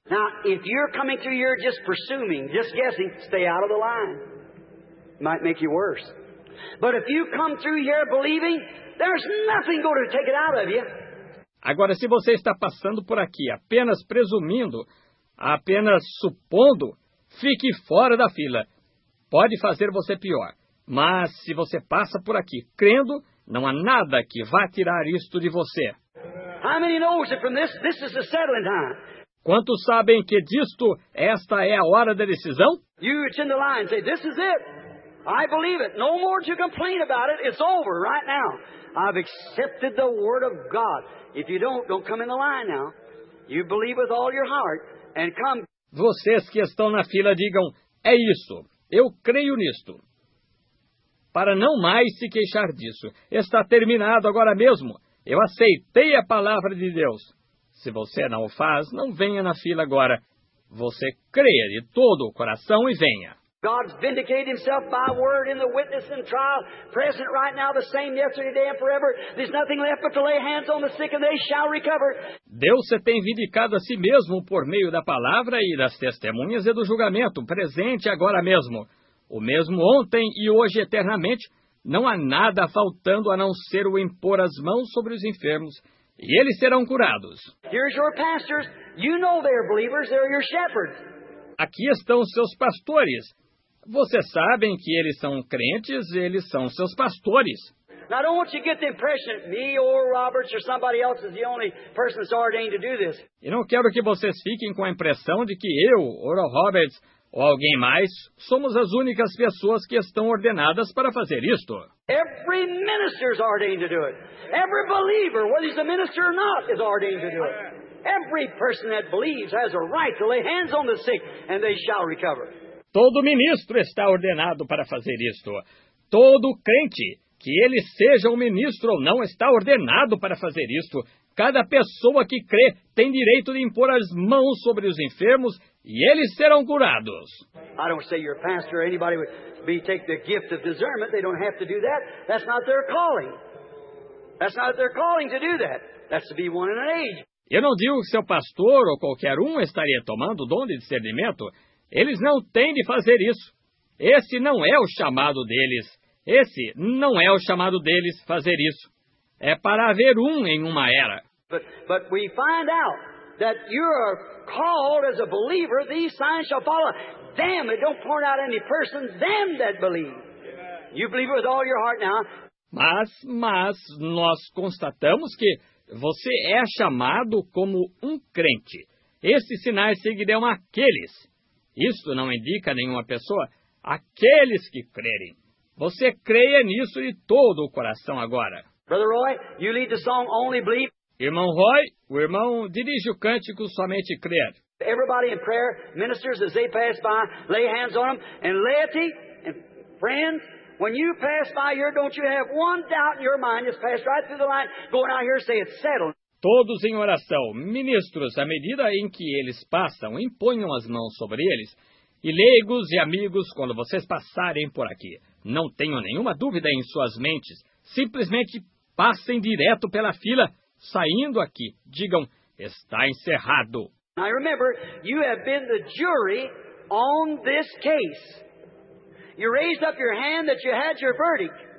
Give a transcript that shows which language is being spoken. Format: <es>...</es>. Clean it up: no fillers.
<en>Now, if you're coming through, you're just presuming, just guessing, stay out of the line. Might make you worse. But if you come through here believing, there's nothing going to take it out of you.</en> <pt>Agora, se você está passando por aqui apenas presumindo, apenas supondo, fique fora da fila. Pode fazer você pior. Mas se você passa por aqui crendo, não há nada que vá tirar isto de você.</pt> <en>How many knows it from this? This is the settling time.</en> <pt>Quantos sabem que disto esta é a hora da decisão?</pt> <en>You attend the line, say, this is it. I believe it. No more to complain about it. It's over right now. I've accepted the word of God. If you don't come in the line now. You believe with all your heart and come.</en> <pt>Vocês que estão na fila digam: é isso, eu creio nisto. Para não mais se queixar disso. Está terminado agora mesmo. Eu aceitei a palavra de Deus. Se você não o faz, não venha na fila agora. Você crê de todo o coração e venha.</pt> <en>God's vindicated himself by word in the witness and trial, present right now, the same yesterday, today and forever. There's nothing left but to lay hands on the sick and they shall recover.</en> <pt>Deus se tem vindicado a si mesmo por meio da palavra e das testemunhas e do julgamento, presente agora mesmo. O mesmo ontem e hoje eternamente, não há nada faltando a não ser o impor as mãos sobre os enfermos, e eles serão curados.</pt> <en>Here's your pastors. You know they're believers. They're your shepherds.</en> <pt>Aqui estão seus pastores. Vocês sabem que eles são crentes, eles são seus pastores.</pt> <en>Now, I don't want you to get the impression that me or Roberts or somebody else is the only person that's ordained to do this.</en> <pt>E não quero que vocês fiquem com a impressão de que eu, Oral Roberts, ou alguém mais, somos as únicas pessoas que estão ordenadas para fazer isto.</pt> <en>Every minister is ordained to do it. Every believer, whether he's a minister or not, is ordained to do it. Every person that believes has a right to lay hands on the sick and they shall recover.</en> <pt>Todo ministro está ordenado para fazer isto. Todo crente, que ele seja um ministro ou não, está ordenado para fazer isto. Cada pessoa que crê tem direito de impor as mãos sobre os enfermos e eles serão curados.</pt> <en>I don't say your pastor or anybody would be take the gift of discernment. They don't have to do that. That's not their calling. That's not their calling to do that. That's to be one in an age.</en> <pt>Eu não digo que seu pastor ou qualquer um estaria tomando o dom de discernimento. Eles não têm de fazer isso. Esse não é o chamado deles. Esse não é o chamado deles fazer isso. É para haver um em uma era.</pt> <en>But we find out that you're called as a believer, these signs shall follow them. It don't point out any person, them that believe. You believe with all your heart now.</en> <pt>Mas nós constatamos que você é chamado como um crente. Esses sinais seguirão aqueles. Isto não indica nenhuma pessoa. Aqueles que crerem. Você creia nisso de todo o coração agora.</pt> <en>Brother Roy, you lead the song Only Believe.</en> <pt>Irmão Roy, o irmão dirige o cântico Somente Crer.</pt> <en>Everybody in prayer, ministers as they pass by, lay hands on them. And laity, and friends, when you pass by here, don't you have one doubt in your mind? Just pass right through the line, going out here, say it's settled.</en> <pt>Todos em oração, ministros, à medida em que eles passam, imponham as mãos sobre eles. E leigos e amigos, quando vocês passarem por aqui, não tenham nenhuma dúvida em suas mentes. Simplesmente passem direto pela fila, saindo aqui. Digam, está encerrado.</pt> <en>Now remember, you have been the jury on this case. You raised up your hand that you had your verdict.</en>